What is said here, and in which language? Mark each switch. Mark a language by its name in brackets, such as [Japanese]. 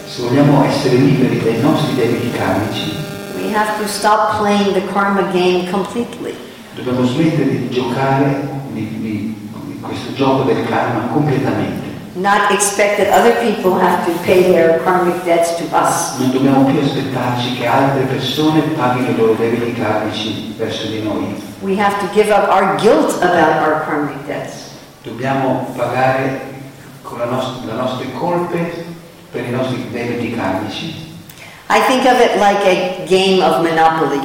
[Italian] se vogliamo essere liberi dai nostri debiti karmici, [English] we have to stop playing the karma game completely. [Italian] Dobbiamo smettere di giocare di questo gioco del karma completamente. [English] Not expect that other people have to pay their karmic debts to us. [Italian] Non dobbiamo più aspettarci che altre persone paghino i loro debiti karmici verso di noi. [English] We have to give up our guilt about our karmic debts. [Italian] Dobbiamo pagare con le nostre colpe per i nostri debiti karmici. [English] I think of it like a game of Monopoly.